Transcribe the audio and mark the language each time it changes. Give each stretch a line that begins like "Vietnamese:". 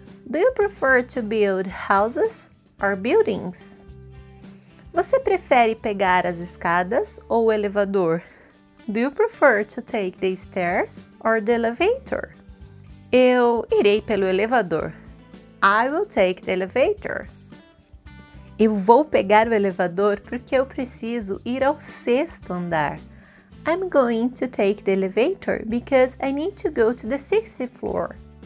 English: Do you prefer to build houses or buildings?
Portuguese: Você prefere pegar as escadas ou o elevador?
English: Do you prefer to take the stairs or the elevator?
Portuguese: Eu irei pelo elevador.
English: I will take the elevator.
Portuguese: Eu vou pegar o elevador porque eu preciso ir ao sexto andar.
English: I'm going to take the elevator because I need to go to the 60th floor.